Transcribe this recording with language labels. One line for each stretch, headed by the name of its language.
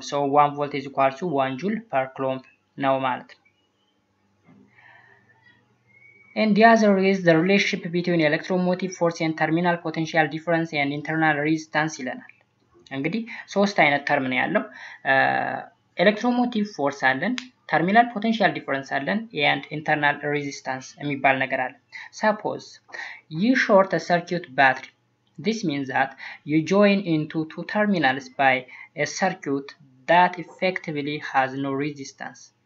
English: So 1 volt is equal to 1 joule per coulomb normal. And the other is the relationship between electromotive force and terminal potential difference and internal resistance
Amharic: ይለናል. እንግዲህ ሶስት አይነት term ነው ያለው.
English: Electromotive force
Amharic: አለን, terminal potential difference አለን
English: and internal resistance
Amharic: የሚባል ነገር አለ.
English: Suppose you short a circuit battery. This means that you join into two terminals by a circuit that effectively has no resistance.